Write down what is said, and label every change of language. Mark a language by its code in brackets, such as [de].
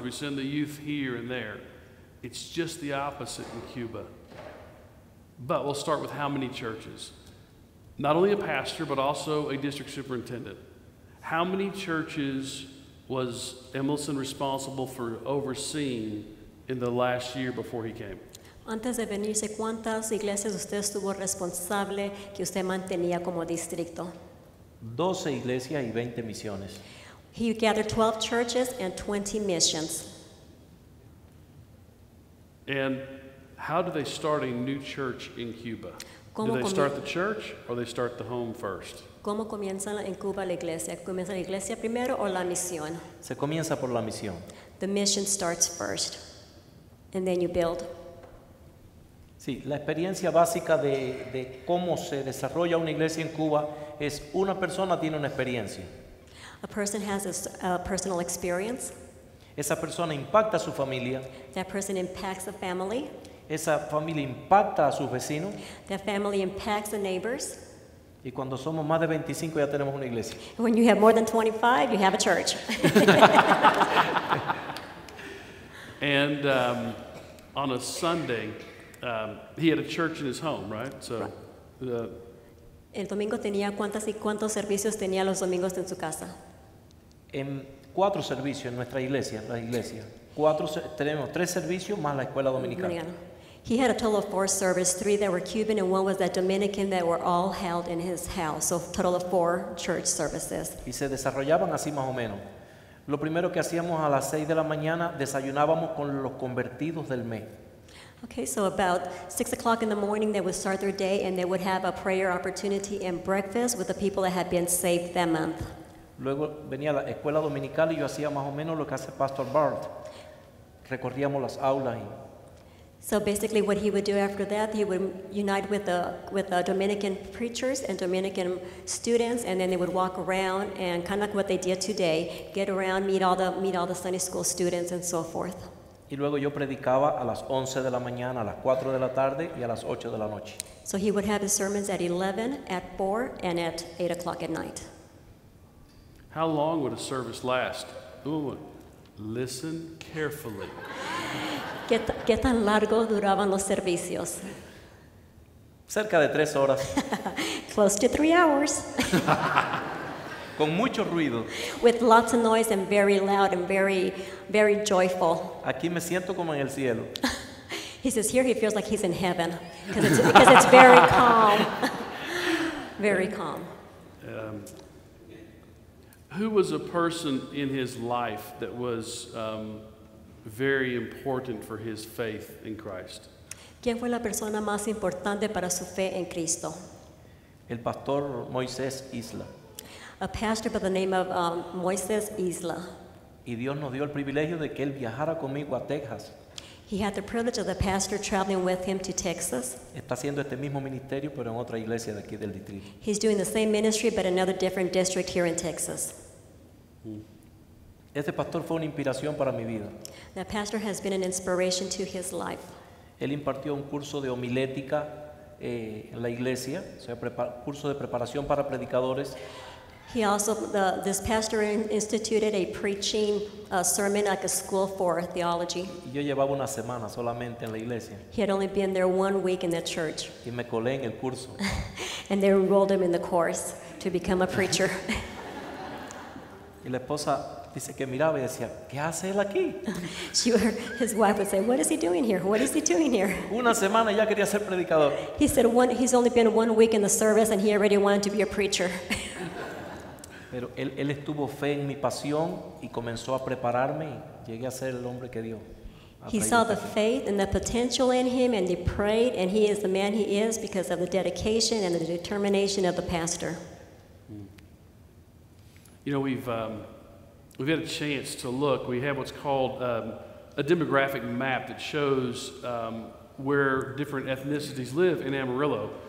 [en] We send the youth here and there. It's just the opposite in Cuba. But we'll start with how many churches? Not only a pastor, but also a district superintendent. How many churches was Emelson responsible for overseeing in the last year before he came? [es] Antes de venirse, ¿cuántas iglesias usted estuvo responsable que usted mantenía como distrito? 12 iglesias y 20 misiones. [en] He gathered 12 churches and 20 missions. And how do they start a new church in Cuba? Do they start the church or they start the home first? [es] ¿Cómo comienza en Cuba la iglesia? ¿Comienza la iglesia primero o la misión? Se comienza por la misión. [en] The mission starts first. And then you build. [es] Sí, la experiencia básica de cómo se desarrolla una iglesia en Cuba es una persona tiene una experiencia. [en] A person has a personal experience. [es] Esa persona impacta a su familia. [en] That person impacts a family. [es] Esa familia impacta a sus vecinos. [en] That family impacts the neighbors. [es] Y cuando somos más de 25 ya tenemos una iglesia. [en] When you have more than 25, you have a church. And on a Sunday, he had a church in his home, right? So, [es] El domingo tenía cuántas y cuántos servicios tenía los domingos en su casa? En cuatro servicios en nuestra iglesia, la iglesia. Tenemos tres servicios más la escuela dominical. [en] He had a total of four services, three that were Cuban and one was that Dominican that were all held in his house. So a total of four church services. [es] Y se desarrollaban así más o menos. Lo primero que hacíamos a las 6 de la mañana, desayunábamos con los convertidos del mes. [en] Okay, so about 6 o'clock in the morning, they would start their day and they would have a prayer opportunity and breakfast with the people that had been saved that month. [es] Luego venía la escuela dominical y yo hacía más o menos lo que hace Pastor Bart. Recorríamos las aulas y... [en] So basically what he would do after that, he would unite with the Dominican preachers and Dominican students, and then they would walk around and kind of like what they did today, get around, meet all the Sunday school students and so forth. [es] Y luego yo predicaba a las 11 de la mañana, a las 4 de la tarde y a las 8 de la noche. [en] So he would have his sermons at 11, at 4, and at 8 o'clock at night. How long would a service last? Ooh, listen carefully. [es] ¿Qué tan largo duraban los servicios? Cerca de 3 horas. [en] Close to 3 hours. [es] Con mucho ruido. [en] With lots of noise and very loud and very, very joyful. [es] Aquí me siento como en el cielo. [en] He says here he feels like he's in heaven because it's very calm. Very calm. Who was a person in his life that was very important for his faith in Christ? [es] ¿Quién fue la persona más importante para su fe en Cristo? El pastor Moisés Isla. [en] A pastor by the name of Moisés Isla. [es] Y Dios nos dio el privilegio de que él viajara conmigo a Texas. [en] He had the privilege of the pastor traveling with him to Texas. [es] Está haciendo este mismo ministerio, pero en otra iglesia de aquí del distrito. [en] He's doing the same ministry, but another different district here in Texas. [es] Este pastor fue una inspiración para mi vida. [en] The pastor has been an inspiration to his life. [es] Él impartió un curso de homilética en la iglesia, o sea, curso de preparación para predicadores. [en] This pastor instituted a preaching sermon like a school for theology. [es] Yo llevaba una semana solamente en la iglesia. [en] He had only been there 1 week in the church. [es] Y me colé en el curso. [en] And they enrolled him in the course to become a preacher. [es] Y la esposa dice que miraba y decía, ¿qué hace él aquí? [en] His wife would say, What is he doing here? [es] Una semana ya quería ser predicador. [en] He said, he's only been 1 week in the service and he already wanted to be a preacher. [es] Pero él estuvo fe en mi pasión y comenzó a prepararme y llegué a ser el hombre que Dios. [en] He saw the faith and the potential in him and he prayed and he is the man he is because of the dedication and the determination of the pastor. You know, we've had a chance to look. We have what's called a demographic map that shows where different ethnicities live in Amarillo.